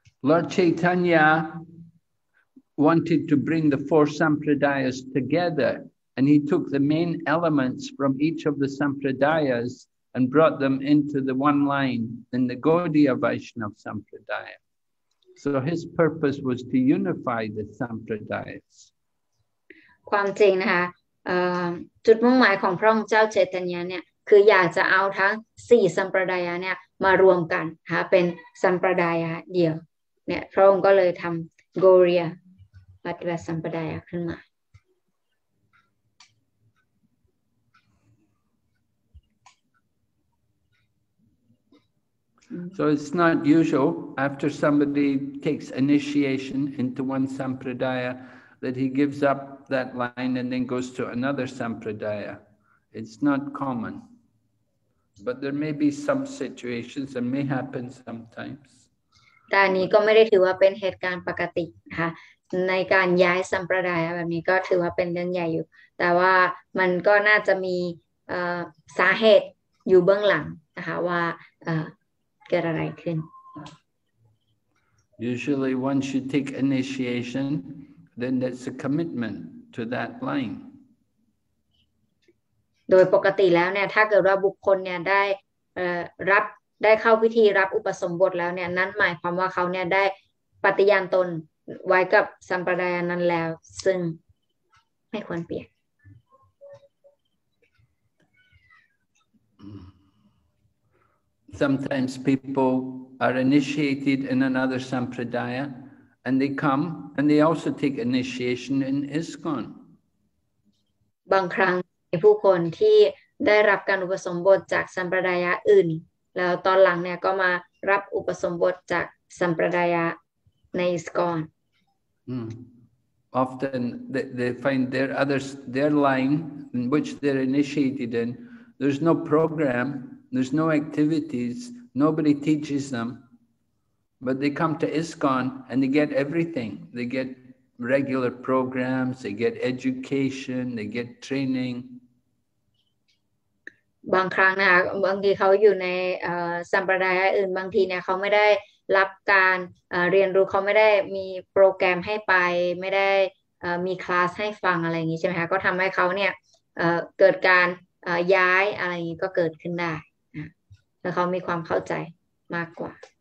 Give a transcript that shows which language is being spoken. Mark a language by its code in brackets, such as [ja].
[en] Lord Chaitanya wanted to bring the four sampradayas together, and he took the main elements from each of the sampradayas and brought them into the one line in the Gaudiya Vaishnava sampradaya. So his purpose was to unify the sampradayas. [th] ความจริงนะคะจุดมุ่งหมายของพระองค์เจ้าเจตัญญาเนี่ยคืออยากจะเอาทั้ง4สัมปรายะเนี่ยมารวมกันหาเป็นสัมปรายะเดียวเนี่ยพระองค์ก็เลยทำโกเรียปฏิบัติสัมปรายะขึ้นมา [en] So it's not usual after somebody takes initiation into one sampradaya that he gives up that line and then goes to another sampradaya. It's not common. But there may be some situations that may happen sometimes. [th] ตอนนี้ก็ไม่ได้ถือว่าเป็นเหตุการณ์ปกติค่ะในการย้ายสัมปรายแบบนี้ก็ถือว่าเป็นเรื่องใหญ่อยู่แต่ว่ามันก็น่าจะมีสาเหตุอยู่เบื้องหลังนะคะว่าเกิดอะไรขึ้น [en] Usually one should take initiation, then that's a commitment to that line. [th] โดยปกติแล้วเนี่ยถ้าเกิดว่าบุคคลเนี่ยได้รับได้เข้าพิธีรับอุปสมบทแล้วเนี่ยนั่นหมายความว่าเขาเนี่ยได้ปฏิญาณตนไว้กับสัมปรายนั้นแล้วซึ่งไม่ควรเปลี่ยน [en] Sometimes people are initiated in another sampradaya and they come and they also take initiation in ISKCON [th] บางครั้งผู้คนที่ได้รับการอุปสมบทจากสัมปรายะอื่นแล้วตอนหลังเนี่ยก็มารับอุปสมบทจากสัมปรายะในอิสกอน [en] Often they find their others their line in which they're initiated in there's no program there's no activities nobody teaches them but they come to ISKCON and they get everything they getregular programs, they get education, they get training. [th] บางครั้งนะบางทีเขาอยู่ในสัมปรายอื่นบางทีเนี่ยเขาไม่ได้รับการเรียนรู้เขาไม่ได้มีโปรแกรมให้ไปไม่ได้มีคลาสให้ฟังอะไรอย่างงี้ใช่ไหมคะก็ทำให้เขาเนี่ยเกิดการย้ายอะไรอย่างงี้ก็เกิดขึ้นได้นะแล้วเขามีความเข้าใจมากกว่า